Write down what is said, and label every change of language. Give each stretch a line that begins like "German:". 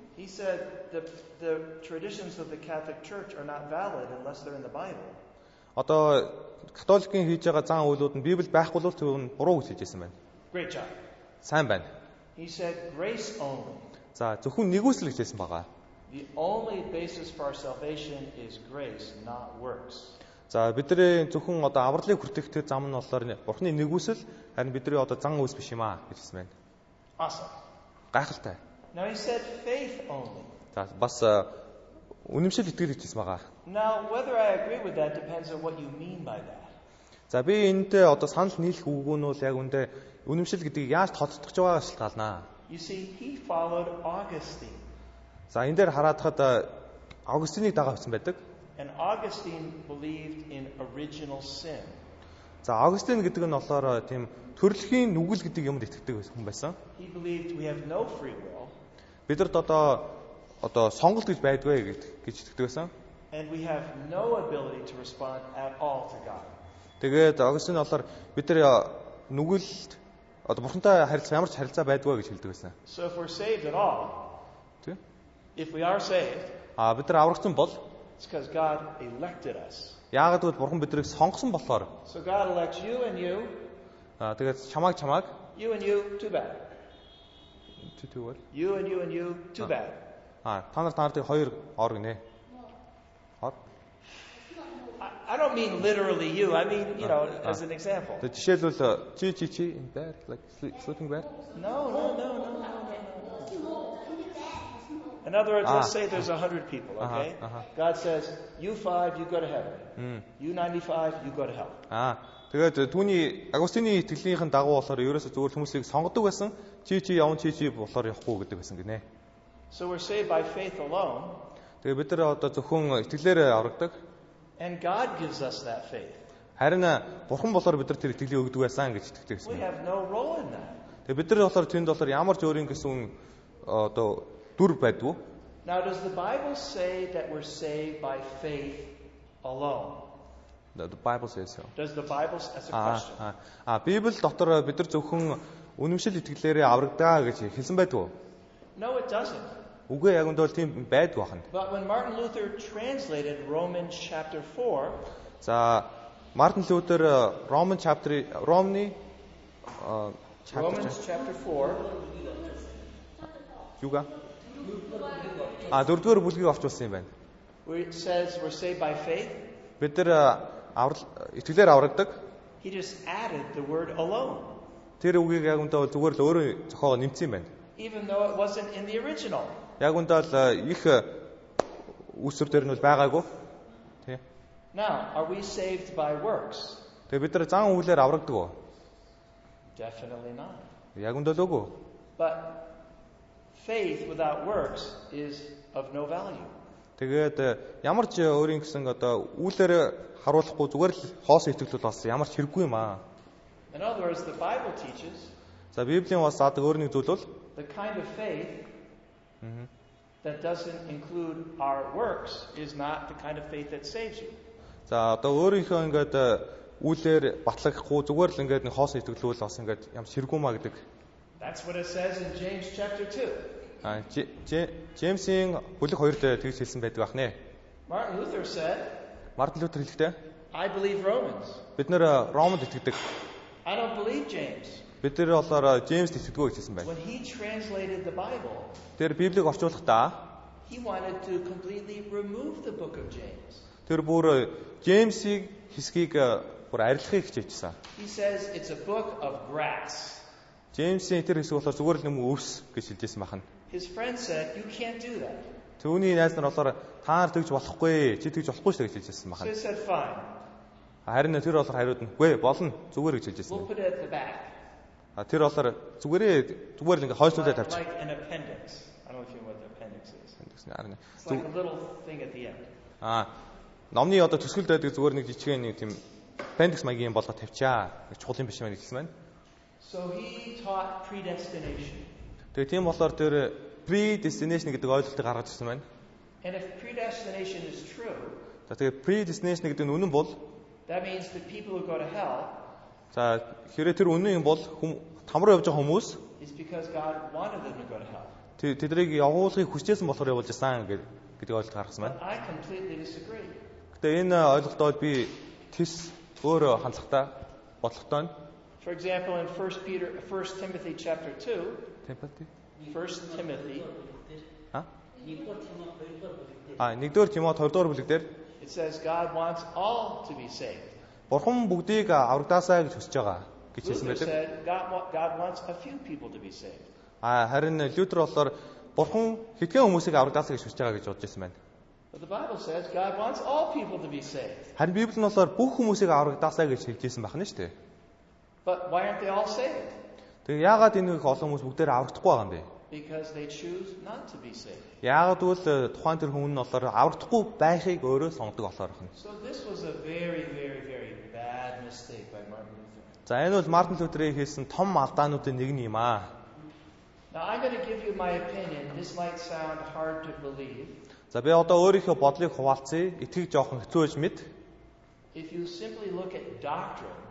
English: He said the traditions of the Catholic Church are not valid unless they're in the Bible.
Mongolian: Одоо католикийн хийж байгаа зан үйлүүд нь Библи байхгүй бол тэр нь буруу гэж хэлжсэн байна.
English: Great job.
Mongolian: Сайн байна.
English: He said grace only.
Mongolian: За зөвхөн нэгүсэл гэж хэлсэн байгаа.
English: The only basis for our salvation is grace, not works.
Mongolian: За бидний зөвхөн одоо авралын хүртэх тэр зам нь болохоор Бурхны нэгүсэл харин бидний одоо зан үйлс биш юм аа гэж хэлсэн байна. Гайхалтай.
English: Now he said faith only.
Mongolian: За бас үнэмшил итгэл гэж хэлсэн байгаа.
English: Now whether I agree with that depends on what you mean by that.
Mongolian: За би энэтэй одоо санал нийлэх үгүүн нь бол яг үндэ үнэмшил гэдгийг яаж тодтогч байгааг шалтгаална.
English: You see he followed Augustine.
Mongolian: За энэ дээр хараадахад Augustine-ийг дагаад авсан байдаг.
English: And Augustine believed in original sin.
Mongolian: За Augustine гэдэг нь болохоор тийм төрөлхийн нүгэл гэдэг юмд итгэдэг хүн байсан.
English: He believed we have no free will.
Mongolian: Бидэрт одоо сонголт гэж байдгүй гэж итгэдэг байсан.
English: And we have no ability to respond at all to God.
Mongolian: Тэгээд Augustine болохоор бид нар нүгэлд одоо бурхантай харилцаа ямар ч харилцаа байдгүй гэж хэлдэг байсан.
English: So if we're saved at all.
Mongolian: Тэг.
English: If we are saved.
Mongolian: А бид нар аврагдсан бол
English: It's because God elected us.
Mongolian: Яагаад гэвэл Бурхан бидрийг сонгосон болохоор.
English: So God elects you and you.
Mongolian: А тэгээд чамаг.
English: You and you too bad. To what? You and you and you too bad.
Mongolian: А та нартай хоёр ор гинэ. Ор.
English: I don't mean literally you. I mean, you know, as an example.
Mongolian: Тэг жишээлбэл чи
English: in bed like sleeping bad? No. In other words, let's say there's 100 people, okay? God says, you 5, you go to heaven. You 95, you go to hell.
Mongolian: Тэгээд түүний Агустины итгэлийнхэн дагуу болохоор ерөөсөө зөвхөн хүмүүсийг сонгодог байсан. Чи явна, чи болохоор явахгүй гэдэг байсан гинэ.
English: So we're saved by faith alone.
Mongolian: Тэгээд бид нар одоо зөвхөн итгэлээр аврагдаг.
English: And God gives us that faith.
Mongolian: Харин Бурхан болохоор бид нар тэр итгэлийг өгдөг байсан гэж итгэдэг байсан.
English: We have no role in that.
Mongolian: Тэгээд бид нар болохоор тэнд болохоор ямар ч өөрийн гэсэн одоо дүр байдгүй.
English: Now does the Bible say that we're saved by faith alone? The Bible says so. Does the Bible as a question?
Mongolian: Библ дотор бид нар зөвхөн үнэмшил итгэлээрээ аврагдаа гэж хэлсэн байдгүй.
English: No it doesn't.
Mongolian: Үгүй яг энэ бол тийм байдгүй хань.
English: But when Martin Luther translated Romans chapter 4,
Mongolian: за Мартин Лютер
English: Roman chapter Romney Romans chapter 4
Mongolian: юга дөрөвдүгээр бүлгийг авчулсан юм байна.
English: It says we're saved by faith.
Mongolian: Бид нар итгэлээр аврагдаг.
English: He just added the word alone.
Mongolian: Тэр үгийг яг үндэ бол зүгээр л өөрөө зохиогоо нэмсэн юм байна.
English: Even though it wasn't in the original.
Mongolian: Яг үндэ бол их үсэр дээр нь бол байгаагүй. Тэ.
English: Now, are we saved by works?
Mongolian: Тэгээ бид нар зан үйлээр аврагдаг уу?
English: Definitely not.
Mongolian: Яг үндэ л үгүй.
English: But faith without works is of no value.
Mongolian: Тэгээд ямар ч өөрийн гэсэн одоо үүлээр харуулахгүй зүгээр л хоос итгэл л болсон ямар ч хэрэггүй юм аа.
English: In other words, the Bible teaches.
Mongolian: За Библийн бас заадаг өөр нэг зүйл бол
English: the kind of faith that doesn't include our works is not the kind of faith that saves you.
Mongolian: За одоо өөрийнхөө ингээд үүлээр батлахгүй зүгээр л ингээд хоос итгэл л болсон ингээд ямар ч хэрэггүй юмаа гэдэг.
English: That's what it says in James chapter 2.
Mongolian: James-ийн бүлэг 2-д тэгж хэлсэн байдаг ах нэ.
English: Martin Luther said.
Mongolian: Martin Luther хэлэхдээ.
English: I believe Romans.
Mongolian: Бид нэр Ромд итгэдэг.
English: I don't believe James.
Mongolian: Бид нэр болохоор James итгэдэг үү гэж хэлсэн байдаг.
English: When he translated the Bible.
Mongolian: Тэр Библийг орчуулахдаа.
English: He wanted to completely remove the book of James.
Mongolian: Тэр бүр James-ийг хэсгийг бүр арилгахыг хичээжсэн.
English: He says it's a book of grass.
Mongolian: James-ийн тэр хэсэг болохоор зүгээр л юм өвс гэж хэлжсэн байх нь.
English: His friend said you can't do that.
Mongolian: Төвний найз нар болохоор та нар тэгж болохгүй, чи тэгж болохгүй шүү гэж хэлжсэн байна.
English: He said fine.
Mongolian: Харин тэр болохоор хариуд нь үгүй болно зүгээр гэж хэлжсэн.
English: We'll put it at the back.
Mongolian: А тэр болохоор зүгээр л ингээ хойшлуулаа тавьчих.
English: Like an appendix. I don't know if you know what the appendix is.
Mongolian: Appendix нь арай.
English: It's like a little thing at the end.
Mongolian: А номны одоо төсгөл дээр зүгээр нэг жижигэн нэг тийм appendix маягийн юм болго тавьчаа. Чухал юм биш юм аа гэж хэлсэн байна.
English: So he taught predestination.
Mongolian: Тэгээ тийм болохоор тэр predestination гэдэг ойлголтыг гаргаж ирсэн байна.
English: And if predestination is true.
Mongolian: За тэгээ predestination гэдэг нь үнэн бол
English: That means the people who go to hell.
Mongolian: За хэрэ тэр үнэн юм бол там руу явж байгаа хүмүүс
English: is because God wanted them to go to hell.
Mongolian: Тэдрийг явуулахыг хүсчээсэн болохоор явуулж байгаа гэдэг ойлголт гаргасан байна.
English: I completely disagree.
Mongolian: Гэтэ энэ ойлголтоо би тис өөр хандлагатай бодлоготой.
English: For example in 1 Timothy chapter 2 Timothy 1st Timothy
Mongolian: нэгдүгээр Тимот 2 дугаар бүлэг дээр
English: It says God wants all to be saved.
Mongolian: Бурхан бүгдийг аврагдаасаа гэж хүсэж байгаа гэж хэлсэн байдаг.
English: God wants a few people to be saved.
Mongolian: Харин Лютер болохоор Бурхан хэдхэн хүмүүсийг аврагдаасаа гэж хүсэж байгаа гэж бодож ирсэн байна.
English: The Bible says God wants all people to be saved.
Mongolian: Харин Библийн болохоор бүх хүмүүсийг аврагдаасаа гэж хэлжсэн байх нь шүү дээ.
English: But why aren't they all saved?
Mongolian: Тэгээ яагаад энэ их олон хүмүүс бүгдээр аврагдахгүй байгаа юм бэ?
English: Because they choose not to be saved.
Mongolian: Яагад вэ тухайн тэр хүмүүс нь болохоор аврахгүй байхыг өөрөө сонгодог болохоор хэн.
English: So this was a very very very bad mistake by Martin Luther.
Mongolian: За энэ бол Мартин Лютерийн хийсэн том алдаануудын нэг юм аа.
English: Now I'm going to give you my opinion. This might sound hard to believe.
Mongolian: За би одоо өөрийнхөө бодлыг хуваалцъя. Итгэж жоохон хэцүүж мэд.
English: If you simply look at doctrine.